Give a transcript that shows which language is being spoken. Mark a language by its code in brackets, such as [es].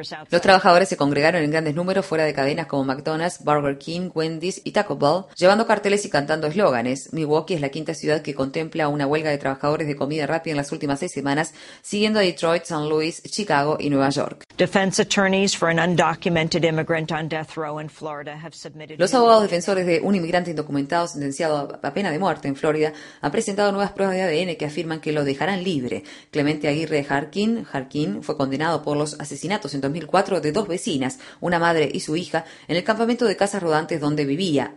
[es] Los trabajadores se congregaron en grandes números fuera de cadenas como McDonald's, Burger King, Wendy's y Taco Bell, llevando carteles y cantando eslóganes. Milwaukee es la quinta ciudad que contempla una huelga de trabajadores de comida rápida en las últimas 6 semanas, siguiendo a Detroit, San Luis, Chicago y Nueva York. [en] Defense attorneys for an undocumented immigrant on death row in Florida have submitted. [es] Los abogados defensores de un inmigrante indocumentado sentenciado a pena de muerte en Florida han presentado nuevas pruebas de ADN que afirman que lo dejarán libre. Clemente Aguirre Harkin fue condenado por los asesinatos en 2004 de dos vecinas, una madre y su hija, en el campamento de casas rodantes donde vivía.